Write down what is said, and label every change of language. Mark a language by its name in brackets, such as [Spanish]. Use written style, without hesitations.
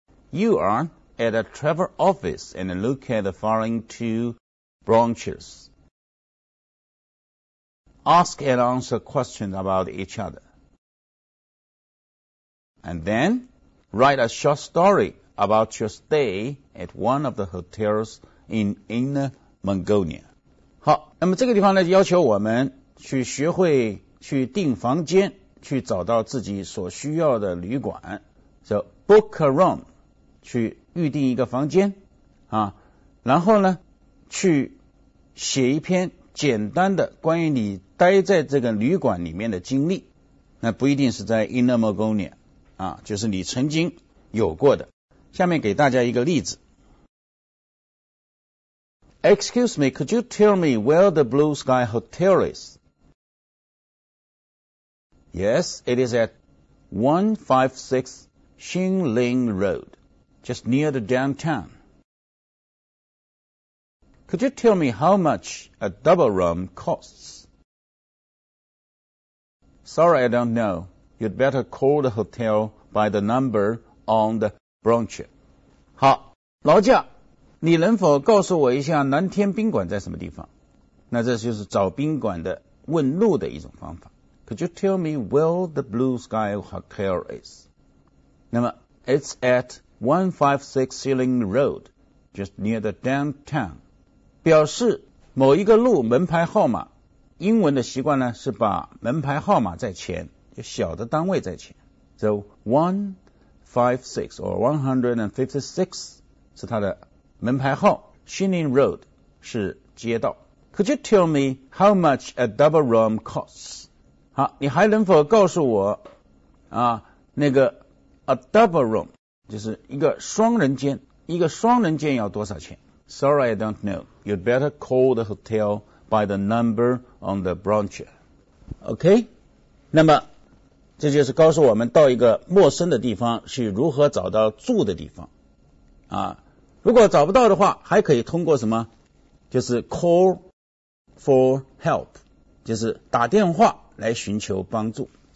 [English] You are at a travel office and look at the following two branches. Ask and answer questions about each other. And then, write a short story about your stay at one of the hotels in Inner Mongolia. [Chinese] 好，那么这个地方呢，要求我们去学会去订房间，去找到自己所需要的旅馆。 [English] So, book a room, [Chinese] 去预定一个房间啊，然后呢，去写一篇简单的关于你待在这个旅馆里面的经历。那不一定是在 Inner Mongolia。啊，就是你曾经有过的。下面给大家一个例子。 [English] Excuse me, could you tell me where the Blue Sky Hotel is? Yes, it is at 156 Xing Ling Road, just near the downtown. Could you tell me how much a double room costs? Sorry, I don't know. You'd better call the hotel by the number on the brochure. [Chinese] 好，劳驾，你能否告诉我一下南天宾馆在什么地方？那这就是找宾馆的问路的一种方法。 [English] Could you tell me where the Blue Sky Hotel is? [Chinese] 那么 [English] it's at 156 Ceiling Road, just near the downtown. [Chinese] 表示某一个路门牌号码，英文的习惯呢是把门牌号码在前，就小的单位在前。 [English] So 156 or 156 [Chinese] 是它的门牌号 ，Shining Road 是街道。 [English] Could you tell me how much a double room costs? [Chinese] 好，你还能否告诉我啊，那个 [English] a double room [Chinese] 就是一个双人间，一个双人间要多少钱 ？ [English] Sorry, I don't know. You'd better call the hotel by the number on the brochure. [Chinese] OK， 那么这就是告诉我们到一个陌生的地方是如何找到住的地方啊。如果找不到的话，还可以通过什么？就是 [English] call for help， [Chinese] 就是打电话来寻求帮助。